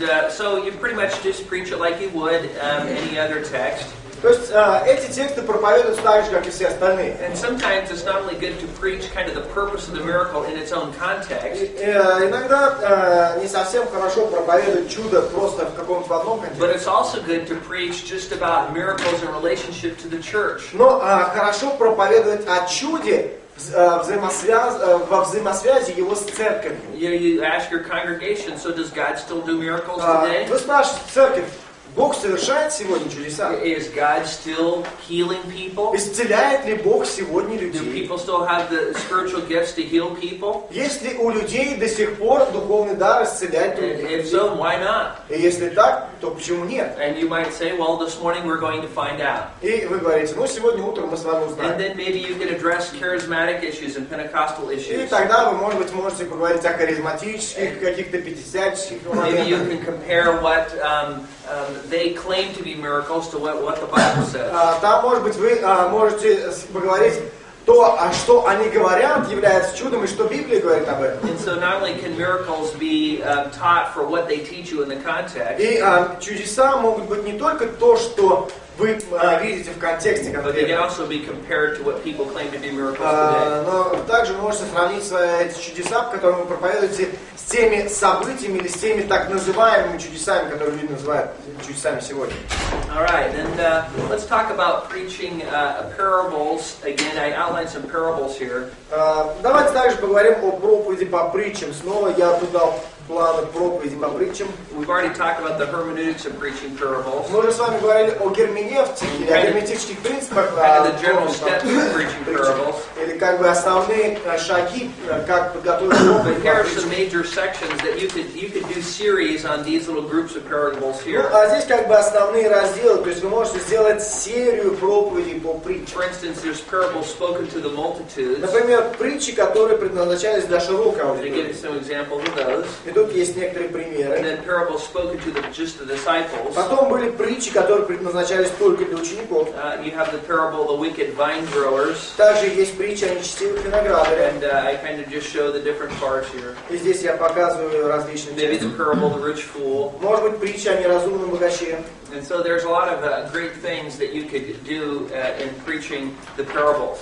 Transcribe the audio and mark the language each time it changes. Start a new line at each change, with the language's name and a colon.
English: So you pretty much just preach it like you would any other text.
Russian: То есть эти тексты проповедуются так же, как и все остальные.
English: And sometimes it's not only good to preach kind of the purpose of the miracle in its own context.
Russian: Иногда не совсем хорошо проповедовать чудо просто в каком-то одном контексте.
English: But it's also good to preach just about miracles in relationship to the church.
Russian: Но хорошо проповедовать о чуде во взаимосвязи его с церковью.
English: You ask your congregation, so does God still do miracles today?
Russian: Вы спрашиваете церковь. Бог совершает сегодня чудеса.
English: Is God still healing people?
Russian: Исцеляет ли Бог сегодня людей?
English: Do people still have the spiritual gifts to heal people?
Russian: Есть ли у людей до сих пор духовный дар исцелять людей?
English: If so, why not?
Russian: И если так, то почему нет?
English: And you might say, well, this morning we're going to find out.
Russian: И вы говорите, ну сегодня утром мы с вами узнаем.
English: And then maybe you can address charismatic issues and Pentecostal issues.
Russian: И тогда вы, может быть, можете поговорить о харизматических, каких-то пятидесятнических.
English: Maybe you can compare what they claim to be miracles to what the Bible says.
Russian: Там, может быть, вы можете поговорить то, что они говорят, является чудом, и что Библия говорит об этом.
English: And so not only can miracles be taught for what they teach you in the context.
Russian: И чудеса могут быть не только то, что вы видите в контексте,
English: but they can also be compared to what people claim to be miracles today.
Russian: Но также можете сравнить эти чудеса, по которым вы проповедуете, с теми событиями или с теми так называемыми чудесами, которые люди называют чудесами сегодня.
English: All right, and let's talk about preaching parables. Again, I outlined some parables here.
Russian: Давайте также поговорим о проповеди по притчам. Снова я тут дал планы проповеди по притчам.
English: We've already talked about the hermeneutics of preaching parables.
Russian: Мы уже с вами говорили о герменевтике, о герметических принципах.
English: Kind of the general steps of preaching parables.
Russian: Или как бы основные шаги, как подготовить проповедь по притчам.
English: Sections that you could do series on these little groups of parables here.
Russian: А здесь как бы основные разделы, то есть вы можете сделать серию проповедей по притчам.
English: For instance, there's parables spoken to the multitudes.
Russian: Например, притчи, которые предназначались для широкой аудитории.
English: Give some examples of those.
Russian: И тут есть некоторые примеры.
English: And then parables spoken to just the disciples.
Russian: Потом были притчи, которые предназначались только для учеников.
English: You have the parable of the wicked vine growers.
Russian: Также есть притча о нечестивых виноградарях.
English: And I kind of just show the different parts here.
Russian: Здесь я показываю различные
English: Maybe the parable of the rich fool.
Russian: Может быть, притча о неразумном богаче.
English: And so there's a lot of great things that you could do in preaching the parables.